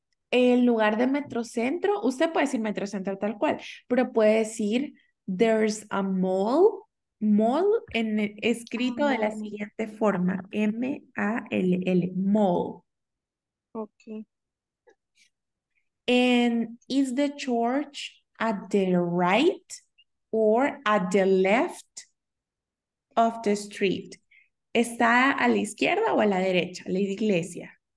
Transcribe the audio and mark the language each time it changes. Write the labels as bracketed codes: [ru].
[es] En lugar de Metrocentro, usted puede decir Metrocentro tal cual, pero puede decir [en] there's a mall. [es] Mall en escrito de la siguiente forma, M-A-L-L, mall. [en] Okay. And is the church at the right or at the left of the street? [es] ¿Está a la izquierda o a la derecha, la iglesia?